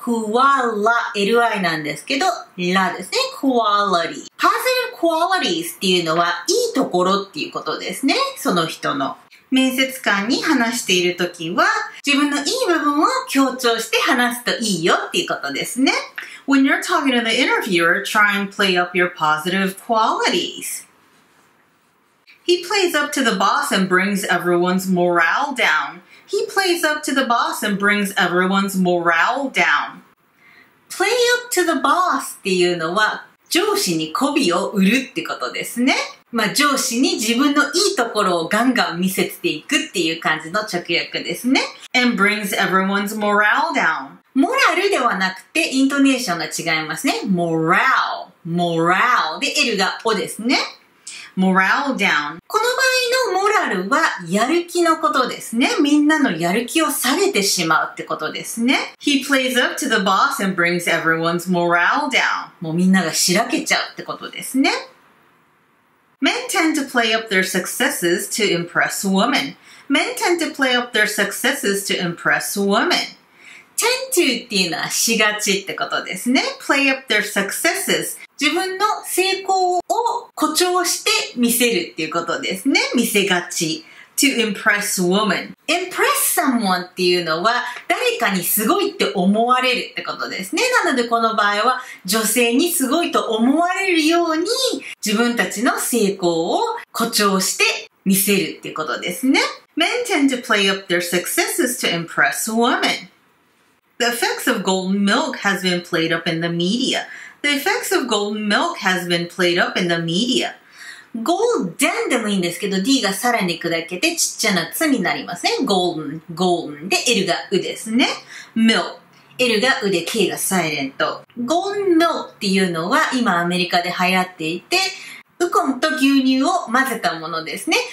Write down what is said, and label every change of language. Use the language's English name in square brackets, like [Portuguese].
[Japanese] クワラ、LI なんですけど、ラですね。 [English] quality. positive qualities [Japanese] っていうのは、いいところっていうことですね。その人の。面接官に話しているときは、自分のいい部分を強調して話すといいよっていうことですね。 [English] When you're talking to the interviewer, try and play up your positive qualities.He plays up to the boss and brings everyone's morale down.He plays up to the boss and brings everyone's morale down.Play up to the boss [Japanese] っていうのは、上司に媚びを売るってことですね。まあ、上司に自分のいいところをガンガン見せていくっていう感じの直訳ですね。 [English] And brings everyone's morale down. [Japanese] モラルではなくて、イントネーションが違いますね。 [English] morale, morale. [Japanese] で、L がおですね。 [English] morale down. [Japanese] この場合のモラルは、やる気のことですね。みんなのやる気を下げてしまうってことですね。 [English] He plays up to the boss and brings everyone's morale down. [Japanese] もうみんながしらけちゃうってことですね。 [English] Men tend to play up their successes to impress women. Men tend to play up their successes to impress women. [Japanese] Tend to っていうのはしがちってことですね。 [English] Play up their successes. [Japanese] 自分の成功を誇張して見せるっていうことですね。見せがち。 [English] To impress women. [Japanese] Impress someone っていうのは誰かにすごいって思われるってことですね。なのでこの場合は女性にすごいと思われるように自分たちの成功を誇張して見せるっていうことですね。 [English] Men tend to play up their successes to impress women. The effects of golden milk has been played up in the media. The effects of golden milk has been played up in the media. [Japanese] Golden でもいいんですけど、D がさらに砕けてちっちゃなつになりますね。 [English] Golden, golden. [Japanese] で、L がうですね。Milk. L がうで、K がサイレント。Golden milk っていうのは今アメリカで流行っていて、ウコンと牛乳を混ぜたものですね。